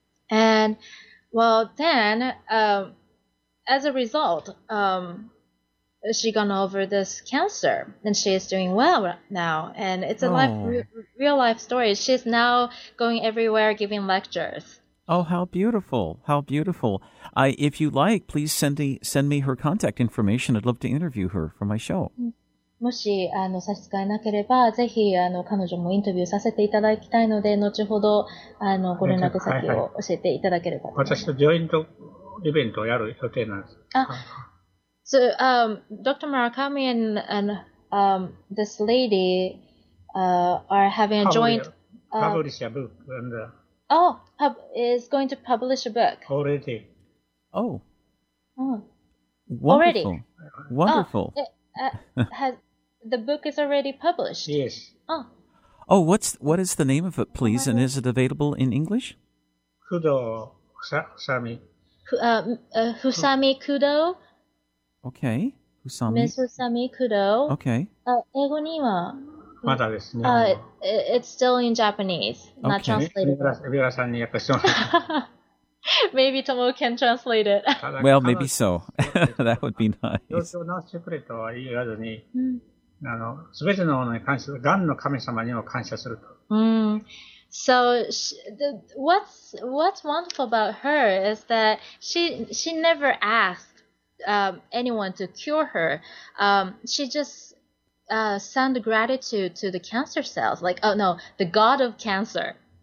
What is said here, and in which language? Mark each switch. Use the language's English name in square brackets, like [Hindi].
[English] And well, then, as a result, she gone over this cancer, and she is doing well now. And it's a real life story. She's now going everywhere giving lectures. Oh, how beautiful. How beautiful. If you like, please send me her contact information. I'd love to interview her for my show. Mm-hmm. [Japanese] もし差し支えなければ、ぜひ彼女もインタビューさせていただきたいので、後ほどご連絡先を教えていただければと思います。はいはい、私とジョイントイベントをやる予定なんです。 [English] So, Dr. Murakami and this lady are having a joint publish a book. And, is going to publish a book. Already. Oh. Wonderful. Already. Wonderful. Oh, the book is already published. Yes. Oh, what is the name of it, please? And is it available in English? Kudo Husami. Husami Kudo. Okay. Husami. Ms. Husami Kudo. Okay. [Japanese] 英語には。まだですね。 [English] It's still in Japanese, not translated. [Japanese] 皆さんに訳します。 [English] Maybe Tomo can translate it. Well, maybe so. That would be nice. [Japanese] 病気を治してくれとは言わずに、すべてのものに感謝する、がんの神様にも感謝すると。 [English] So, what's wonderful about her is that she never asked anyone to cure her. She just send gratitude to the cancer cells, like, oh no, the god of cancer.